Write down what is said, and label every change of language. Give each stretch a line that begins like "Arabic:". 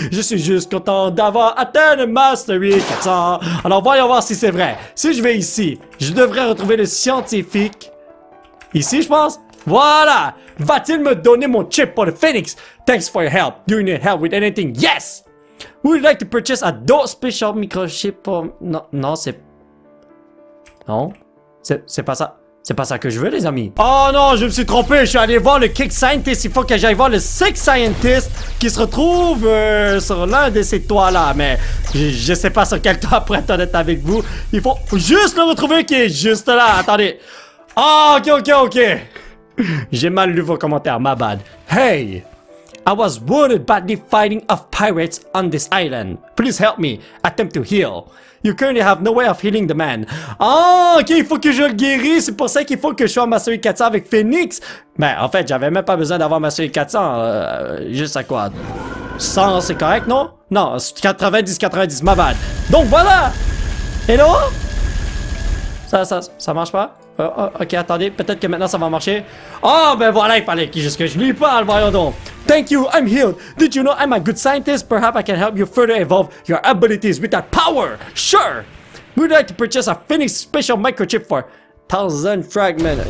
French: Je suis juste content d'avoir atteint le Mastery 400. Alors, voyons voir si c'est vrai. Si je vais ici, je devrais retrouver le scientifique. Ici, je pense. Voilà. Va-t-il me donner mon chip pour le Phoenix?
English: Thanks for your help. Do you need help with anything? Yes! Would you like to purchase a dose special microchip for...
French: Non, c'est... Non. C'est pas ça que je veux, les amis. Oh non, je me suis trompé. Je suis allé voir le Kick Scientist. Il faut que j'aille voir le Sick Scientist qui se retrouve sur l'un de ces toits-là. Mais je sais pas sur quel toit, pour être honnête avec vous. Il faut juste le retrouver qui est juste là. Attendez. Oh, ok. J'ai mal lu vos commentaires.
English: My bad. Hey, I was wounded by the fighting of pirates on this island. Please help me. Attempt to heal. You currently have no way of healing the man.
French: Ah, ok, il faut que je le guérisse. C'est pour ça qu'il faut que je sois Master 400 avec Phoenix. Mais en fait, j'avais même pas besoin d'avoir Master 400. Juste à quoi? 100, c'est correct, non? Non, 90,
English: my bad.
French: Donc voilà!
English: Hello?
French: Ça marche pas? Ok, attendez, peut-être que maintenant ça va marcher. Oh, ben voilà, il fallait juste que je lui parle, voyons donc.
English: Thank you, I'm healed. Did you know I'm a good scientist? Perhaps I can help you further evolve your abilities with that power. Sure. Would you like to purchase a Phoenix special microchip for 1000 fragments?